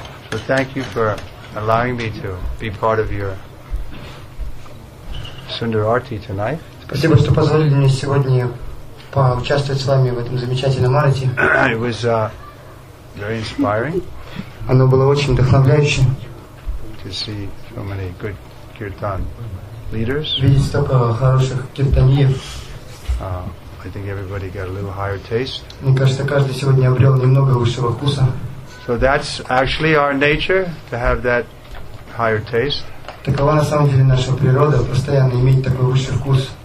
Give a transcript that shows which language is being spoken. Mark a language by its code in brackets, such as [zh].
[en] So thank you for allowing me to be part of your Sundar Arti tonight. [ru] Спасибо, что позволили мне сегодня поучаствовать с вами в этом замечательном арте. [en] It was very inspiring. [ru] Оно было очень вдохновляющим. [en] To see so many good kirtan leaders. [ru] Видеть столько хороших киртаньев. [en] I think everybody got a little higher taste. [ru] Мне кажется, каждый сегодня обрел немного высшего вкуса. [en] So that's actually our nature, to have that higher taste. [ru] Такова на самом деле наша природа, постоянно иметь такой высший вкус.